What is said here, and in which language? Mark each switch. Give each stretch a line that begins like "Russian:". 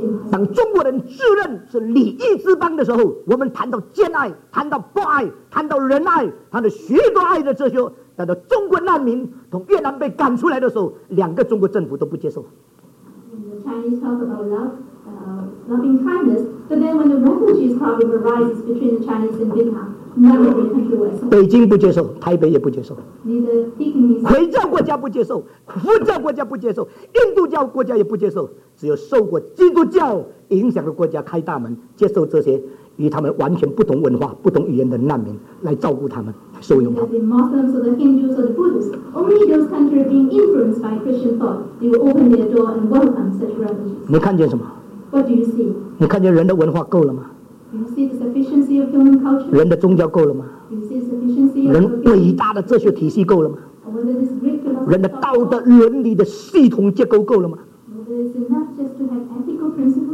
Chinese: 当中国人自认是礼义之邦的时候，我们谈到兼爱，谈到博爱，谈到仁爱，谈到许多爱的哲学，但到中国难民从越南被赶出来的时候，两个中国政府都不接受。
English: Loving kindness, but then when the refugees problem arises between the Chinese and Vietnam, none of the country will accept.
Chinese: 北京不接受，台北也不接受。
English: Neither
Chinese: Peking. 回教国家不接受，佛教国家不接受，印度教国家也不接受。只有受过基督教影响的国家开大门，接受这些与他们完全不同文化、不同语言的难民来照顾他们、收容他们。
English: The Muslims or the Hindus or the Buddhists, only those countries being influenced by Christian thought, they will open their door and welcome such refugees.
Chinese: 你看见什么？
English: What do you see?
Chinese: 你看见人的文化够了吗？
English: You see the sufficiency of human culture?
Chinese: 人的宗教够了吗？
English: You see the sufficiency of
Chinese: 人伟大的哲学体系够了吗？
English: Or whether this great philosophy
Chinese: 人的道德伦理的系统结构够了吗？
English: Whether it's enough just to have ethical principles?